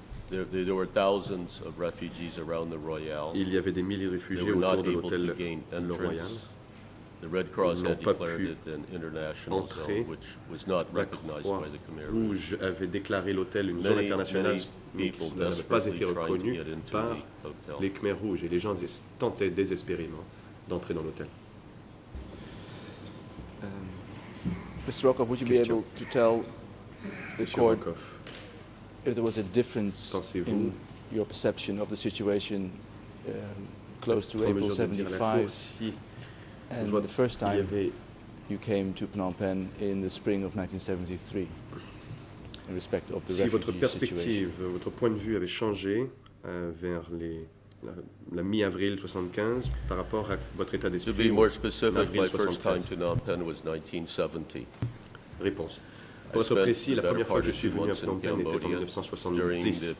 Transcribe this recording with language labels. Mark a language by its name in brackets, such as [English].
[English] there were thousands of refugees around the Royal. [French] Il y avait des milliers de réfugiés autour de l'hôtel Le Royal. [English] The Red Cross had declared it an international zone, which was not recognized by the Khmer Rouge. [French] Rouge avait déclaré l'hôtel une zone internationale, mais qui n'avait pas été reconnue par les Khmer Rouges. Et les gens tentaient désespérément d'entrer dans l'hôtel. [English] Mr. Rokoff, would you be able to tell the court if there was a difference in your perception of the situation close to April 75? And the first time you came to Phnom Penh in the spring of 1973, in respect of the refugee [French] situation. Si votre perspective, situation. Votre point de vue avait changé vers la mi-avril 75 par rapport à votre état d'esprit. [English] To be more specific, my first time to Phnom Penh was 1970. [French] Réponse. Pour être précis, la première fois que je suis venu à Phnom Penh était en 1970.